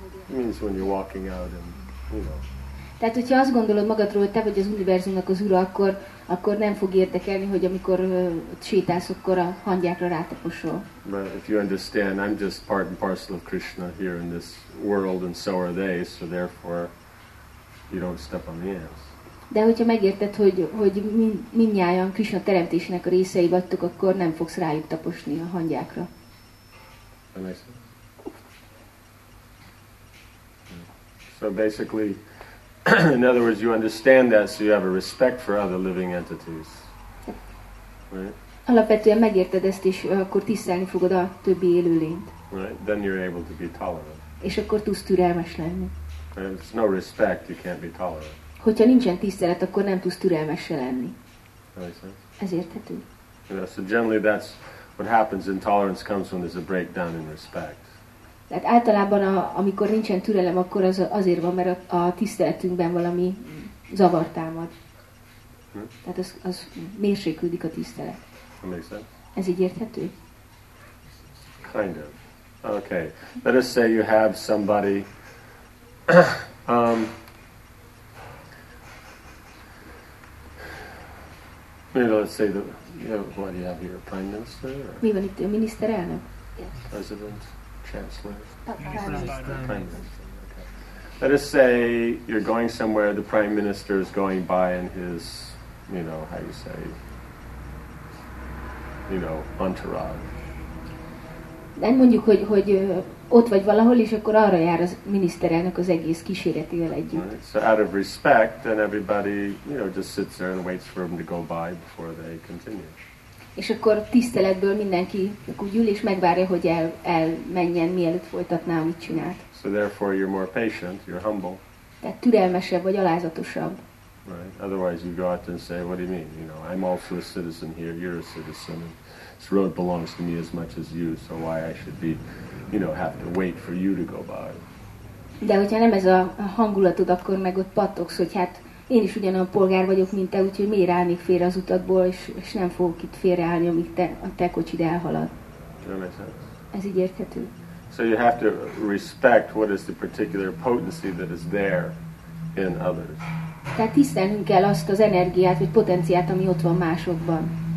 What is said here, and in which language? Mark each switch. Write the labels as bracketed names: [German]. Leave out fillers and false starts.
[English] It means when you're walking out and, you know. [Hungarian] Tehát, hogyha azt gondolod magadról, hogy te vagy az univerzumnak az ura, akkor nem fog érdekelni, hogy amikor sétálsz, akkor a hangyákra rátaposol. [English] But if you understand, I'm just part and parcel of Krishna here in this world, and so are they, so therefore you don't step on the ants. [Hungarian] De hogyha megérted, hogy mindnyájan Krisna teremtésének a részei vagytok, akkor nem fogsz rájuk taposni a hangyákra. [English] So basically, in other words, you understand that, so you have a respect for other living entities. Right? [Hungarian] Alapvetően megérted ezt, és akkor tisztelni fogod a többi élőlényt. [English] Right? Then you're able to be tolerant. [Hungarian] És akkor tudsz türelmes lenni. [English] If there's no respect, you can't be tolerant. [Hungarian] Hogyha nincsen tisztelet, akkor nem tudsz türelmes se lenni. Ez érthető. [English] Yeah, so generally that's what happens. Intolerance comes when there's a breakdown in respect. [Hungarian] Tehát általában, amikor nincsen türelem, akkor az azért van, mert a tiszteletünkben valami zavar támad. Hmm? Tehát az mérséklődik a tisztelet. [English] That makes sense. [Hungarian] Ez így érthető? [English] Kind of. Okay. Let us say you have somebody... maybe let's say what do you have here? Prime Minister? [Hungarian] Mi van itt? Miniszterelnök? [English] President? Chancellor? Prime Minister. Okay. Let us say you're going somewhere, the Prime Minister is going by in his, you know, how you say, you know, entourage. [Hungarian] Nem mondjuk, hogy ott vagy valahol, és akkor arra jár a miniszterelnök az egész kíséretével együtt. [English] Right. So out of respect, then everybody, you know, just sits there and waits for him to go by before they continue. [Hungarian] És akkor tiszteletből mindenki úgy ül, és megvárja, hogy elmenjen, mielőtt folytatná, amit csinált. [English] So therefore you're more patient, you're humble. [Hungarian] Tehát türelmesebb vagy alázatosabb. [English] Right. Otherwise you go out and say, what do you mean? You know, I'm also a citizen here, you're a citizen. This road belongs to me as much as you, so why I should be, you know, have to wait for you to go by. [Hungarian] De hogyha nem ez a hangulatod, akkor meg ott pattogsz, hogy hát én is ugyanolyan polgár vagyok, mint te, úgyhogy miért állnék félre az utatból, és nem fogok itt félreállni, amíg te kocsid elhalad. Ez így érthető. [English] So you have to respect what is the particular potency that is there in others. [Hungarian] Tehát tisztelnünk kell azt az energiát, vagy potenciát, ami ott van másokban.